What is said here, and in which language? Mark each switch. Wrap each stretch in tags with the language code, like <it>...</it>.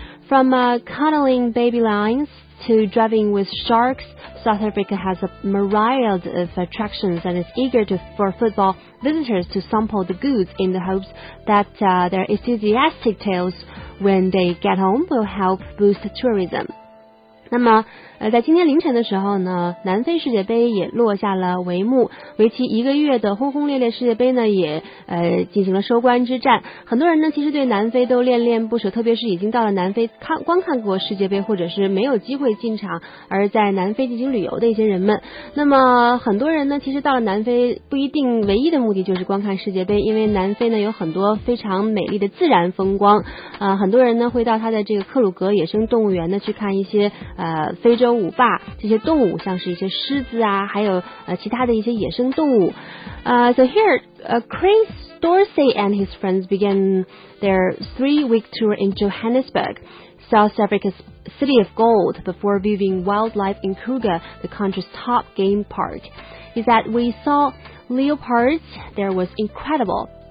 <en>From cuddling baby lions,to driving with sharks, South Africa has a myriad of attractions and is eager for football visitors to sample the goods in the hopes that their enthusiastic tales when they get home will help boost tourism.</en> <zh>那么在今天凌晨的时候呢，南非世界杯也落下了帷幕，为期一个月的轰轰烈烈世界杯呢也进行了收官之战。很多人呢其实对南非都恋恋不舍，特别是已经到了南非观看过世界杯或者是没有机会进场而在南非进行旅游的一些人们。那么很多人呢其实到了南非不一定唯一的目的就是观看世界杯，因为南非呢有很多非常美丽的自然风光，很多人呢会到他的这个克鲁格野生动物园呢去看一些非洲五霸这些动物，像是一些狮子啊，还有其他的一些野生动物。</zh> <en>So here, Chris Dorsey and his friends began their 3-week tour in Johannesburg, South Africa's City of Gold, before viewing wildlife in Kruger, the country's top game park. He said, "We saw leopards. There was incredible.</en>